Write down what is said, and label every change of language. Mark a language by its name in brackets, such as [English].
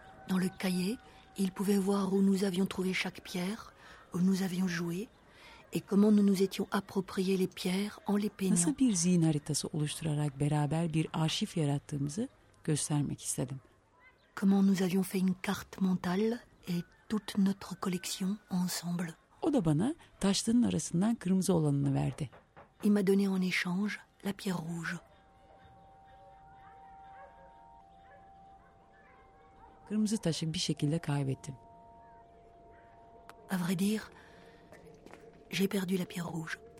[French] Dans le cahier, il pouvait voir où nous avions trouvé chaque pierre, où nous avions joué. Et comment nous nous étions approprié les pierres en les peignant. [Turkish] Nasıl bir zihin haritası oluşturarak beraber bir arşiv yarattığımızı göstermek istedim. [French] Comment nous avions fait une carte mentale et toute notre collection ensemble. [Turkish] O da bana taşların arasından kırmızı olanını verdi. [French] Il m'a donné en échange la pierre rouge. [Turkish] Kırmızı taşı bir şekilde kaybettim. [French] À vrai dire, j'ai perdu la pierre rouge.